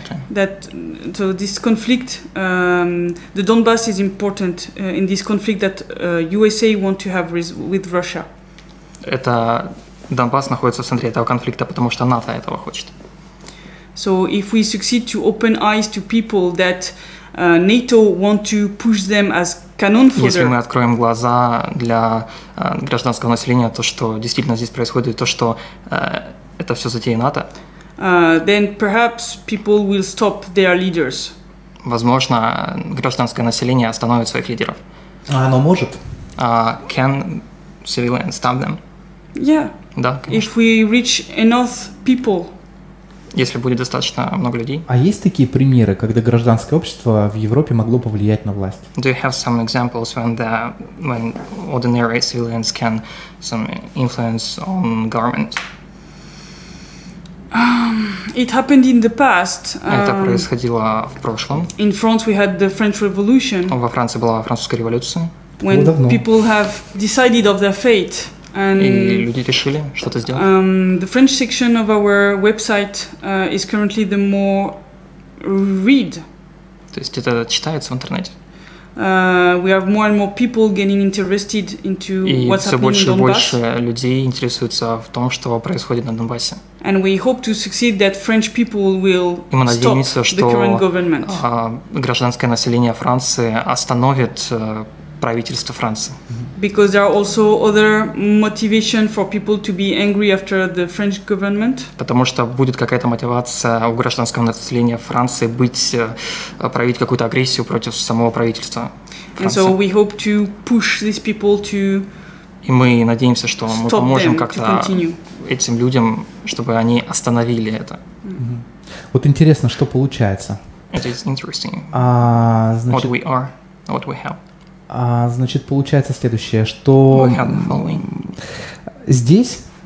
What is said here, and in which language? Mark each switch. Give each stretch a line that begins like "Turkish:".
English: That so this conflict, the Donbass is important in this conflict that USA want to have with Russia.
Russian: Это Донбасс находится в центре этого конфликта, потому что НАТО этого хочет.
English: So if we succeed to open eyes to people that NATO want to push them as cannon fodder.
Russian: Если мы откроем глаза для гражданского населения, то что действительно здесь происходит, то что это все затея НАТО.
English: Then perhaps people will stop their leaders.
Russian: Возможно, гражданское население остановит своих лидеров. Оно может.
English: Can civilians stop them? Yeah.
Russian: Да, конечно.
English: If we reach enough people.
Russian: Если будет достаточно много людей. А есть такие примеры, когда гражданское общество в Европе могло повлиять на власть?
English: Do you have some examples when ordinary civilians can some influence on government? It happened in the past.
Russian: Это происходило в прошлом.
English: In France we had the French Revolution.
Russian: Во Франции была французская революция.
English: When people have decided of their fate. And,
Russian: и люди решили что-то сделать.
English: The French section of our website is currently the more read.
Russian: То есть это читается в интернете.
English: We have more and more people getting interested into
Russian: и
English: what's happening
Russian: больше,
English: in Donbass.
Russian: И все больше и больше людей интересуются в том, что происходит на Донбассе.
English: And we hope to succeed that French people will
Russian: и мы надеемся,
English: stop
Russian: что
English: the current government.
Russian: Гражданское население Франции остановит правительство Франции.
English: Because there are also other motivation for people to be angry after the French government.
Russian: Потому что будет какая-то мотивация у гражданского населения Франции быть проявить какую-то агрессию против самого правительства Франции.
English: And so we hope to push these people to
Russian: и мы надеемся, что мы поможем как-то этим людям, чтобы они остановили это. Mm-hmm. Вот интересно, что получается.
English: It is interesting.
Russian: Значит,
English: what we are, what we have.
Russian: Значит, получается следующее, что здесь